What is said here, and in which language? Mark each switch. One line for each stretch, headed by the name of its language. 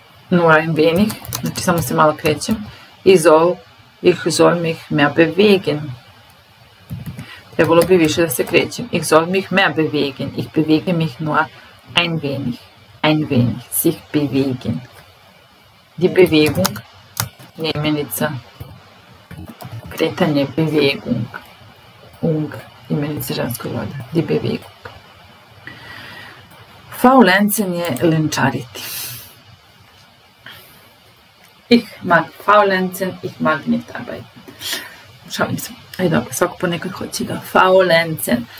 German: Nur ein wenig,
Serbian: znači samo se malo krećem.
German: Ich soll mich mehr bewegen.
Serbian: Trebalo bi više da se krećem.
German: Ich soll mich mehr bewegen. Ich bewege mich nur ein wenig. Ein wenig. Sich bewegen. Die Bewegung.
Serbian: Imenica. Kretanje.
German: Bewegung. Ung.
Serbian: Imenica ženskog roda.
German: Die Bewegung.
Serbian: Faulenzen je lenčariti.
German: Ich mag faulenzen, ich mag nicht arbeiten. Schauen wir mal.
Serbian: Ajde, svako ponekad hoće da faulenzen.